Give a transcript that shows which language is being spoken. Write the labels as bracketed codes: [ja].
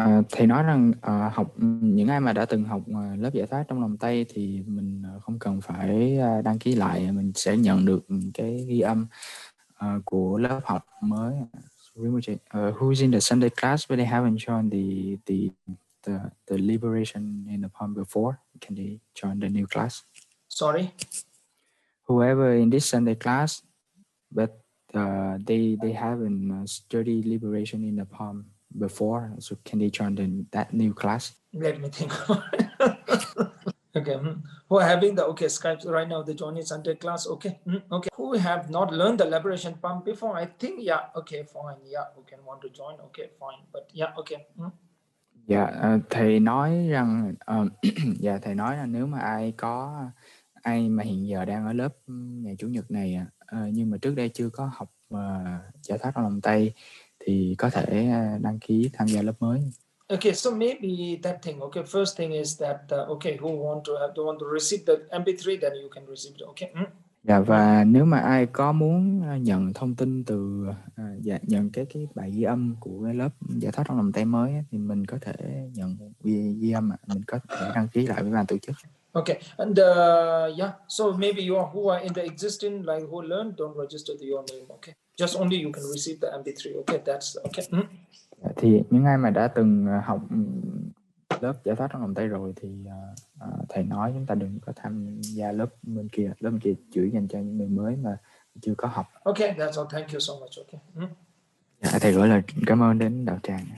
[vi] Thầy nói rằng học những ai mà đã từng học lớp giải thoát trong lòng tay thì mình không cần phải đăng ký lại, mình sẽ nhận được cái ghi âm của lớp học mới. [en] Who's in the Sunday class but they haven't joined the liberation in the poem before, can they join the new class? Sorry, whoever in this Sunday class but they haven't studied liberation in the poem before, so can they join that new class? Let me think. Okay, who are having the, okay, Skype right now, the joining Sunday class, okay, okay. Who have not learned the liberation poem before? I think, yeah, okay, fine, yeah, who can want to join, okay, fine, but yeah, okay. [vi] Dạ, thầy nói rằng, dạ, thầy nói là nếu mà ai mà hiện giờ đang ở lớp ngày Chủ nhật này, nhưng mà trước đây chưa có học giải thoát trong lòng tay, thì có thể đăng ký tham gia lớp mới. [en] Okay, so maybe that thing. Okay, first thing is that okay, who want to have, want to receive the MP3, then you can receive it. Okay. [vi] Yeah, và nếu mà ai có muốn nhận thông tin từ nhận cái bài ghi âm của cái lớp giải thoát trong lòng tay mới thì mình có thể nhận ghi âm, mình có thể đăng ký lại với ban tổ chức. [en] Okay, and yeah, so maybe you are, who are in the existing, like who learn, don't register your name. Okay, just only you can receive the MP3. Okay, that's okay. [vi] Thì những ai mà đã từng học lớp giải thoát trong lòng tay rồi thì thầy nói chúng ta đừng có tham gia lớp bên kia chỉ dành cho những người mới mà chưa có học. [en] Okay, that's all. Thank you so much. Okay. [vi] Yeah, thầy gửi lời cảm ơn đến đạo tràng.